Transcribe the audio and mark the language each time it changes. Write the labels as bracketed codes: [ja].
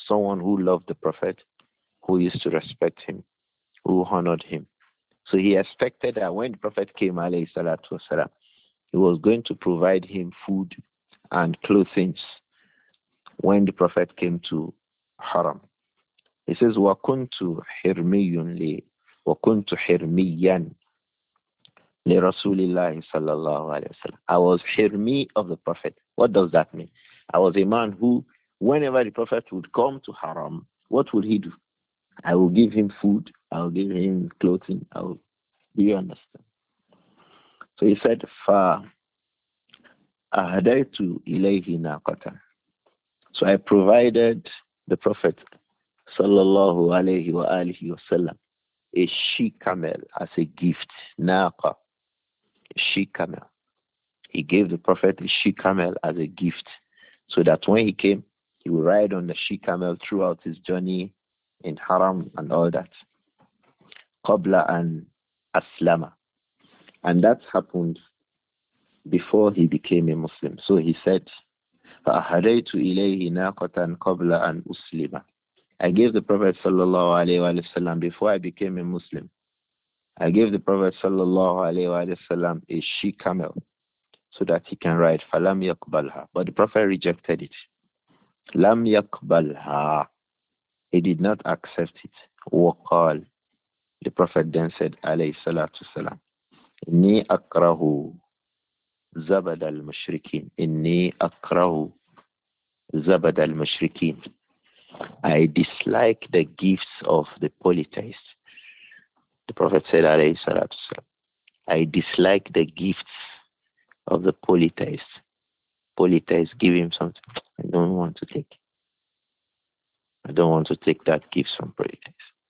[en] Someone who loved the Prophet, who used to respect him, who honored him. So he expected that when the Prophet came, alayhi salatu wasalam, he was going to provide him food and clothing when the Prophet came to Haram. He says, [ar] وَكُنْتُ حِرْمِيٌ لِي وَكُنْتُ حِرْمِيًا لِرَسُولِ اللَّهِ صَلَّى اللَّهُ عَلَيْهِ وَسَلَّمْ. [en] I was Hirmi of the Prophet. What does that mean? I was a man who, whenever the Prophet would come to Haram, what would he do? I will give him food, I will give him clothing, I will, do you understand? So he said, [ar] فَأَهَدَيْتُ إِلَيْهِ نَاقَةً. [en] So I provided the Prophet, sallallahu alayhi wa alihi wa sallam, a she-camel as a gift, naqa, she-camel. He gave the Prophet a she-camel as a gift, so that when he came, he would ride on the she-camel throughout his journey, in Haram and all that. [ar] Qabla an aslama. [en] And that happened before he became a Muslim. So he said, [ar] فَأَهَدَيْتُ إِلَيْهِ نَاقَةً قَبْلَ أَنْ أُسْلِمَ. [en] I gave the Prophet sallallahu alayhi wa sallam, before I became a Muslim, I gave the Prophet sallallahu alayhi wa sallam a she-camel so that he can ride. [ar] فَلَمْ يَقْبَلْهَا. [en] But the Prophet rejected it. [ar] لَمْ يَقْبَلْهَا. [en] He did not accept it. [ar] وقال, [en] the Prophet then said, [ar] عليه الصلاة والسلام, إني أكره زبد المشركين. إني أكره زبد المشركين. [en] I dislike the gifts of the polytheists. The Prophet said, عليه الصلاة والسلام, I dislike the gifts of the polytheists. Polytheists, give him something. I don't want to take it. I don't want to take that gift from politics.